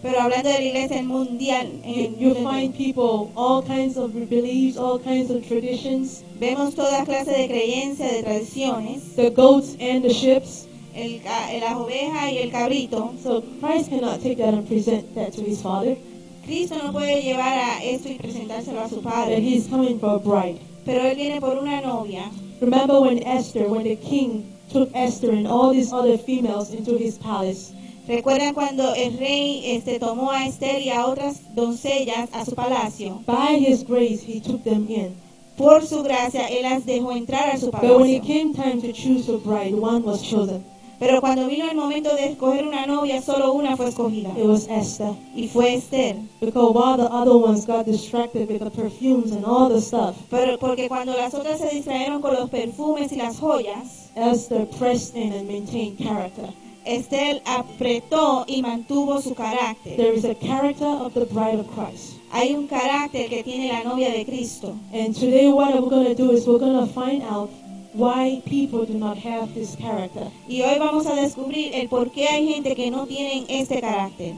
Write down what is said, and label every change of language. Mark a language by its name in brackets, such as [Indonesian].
[Spanish] Pero hablando de la iglesia mundial. [English] You find people, all kinds of beliefs, all kinds of traditions. [Spanish] Vemos toda clase de creencias, de tradiciones. [English] The goats and the sheep. [Spanish] La oveja y el cabrito. [English] So Christ cannot take that and present that to his father. [Spanish] Cristo no puede llevar a esto y presentárselo a su padre. [English] But he's coming for a bride. [Spanish] Pero él viene por una novia. [English] Remember when Esther, when the king took Esther and all these other females into his palace. [Spanish] ¿Recuerdan cuando el rey tomó a Esther y a otras doncellas a su palacio? [English] By his grace he took them in. [Spanish] Por su gracia él las dejó entrar a su palacio. [English] But when it came time to choose a bride, one was chosen. [Spanish] Pero cuando vino el momento de escoger una novia, solo una fue escogida. [English] It was Esther. [Spanish] Y fue Esther. [English] Because while the other ones got distracted with the perfumes and all the stuff. [Spanish] Pero porque cuando las otras se distrajeron con los perfumes y las joyas. [English] Esther pressed in and maintained character. [Spanish] Esther apretó y mantuvo su carácter. [English] There is a character of the bride of Christ. [Spanish] Hay un carácter que tiene la novia de Cristo. [English] And today what we're going to do is we're going to find out why people do not have this character. [Spanish] Y hoy vamos a descubrir el por qué hay gente que no tienen este carácter.